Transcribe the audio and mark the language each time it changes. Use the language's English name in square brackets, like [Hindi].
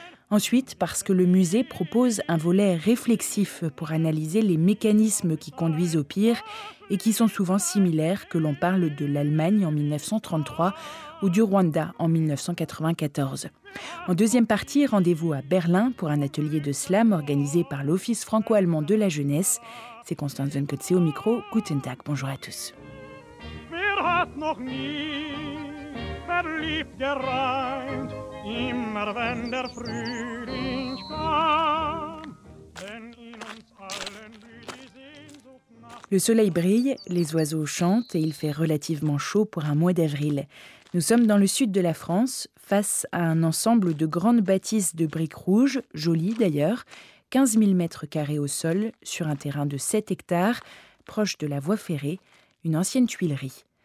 [French] Ensuite parce que le musée propose un volet réflexif pour analyser les mécanismes qui conduisent au pire et qui sont souvent similaires, que l'on parle de l'Allemagne en 1933 ou du Rwanda en 1994. En deuxième partie, rendez-vous à Berlin pour un atelier de slam organisé par l'Office franco-allemand de la jeunesse. C'est Constanze Zönkötze au micro. [German] Guten Tag, [French] bonjour à tous. [German] Wer hat noch nie verliebt gereint, immer wenn der Frühling kam, denn in uns allen blüht die Sehnsucht nach. [French] Le soleil brille, les oiseaux chantent et il fait relativement chaud pour un mois d'avril. Nous sommes dans le sud de la France, face à un ensemble de grandes bâtisses de briques rouges, jolies d'ailleurs, 15 000 mètres carrés au sol, sur un terrain de 7 hectares, proche de la voie ferrée, une ancienne tuilerie.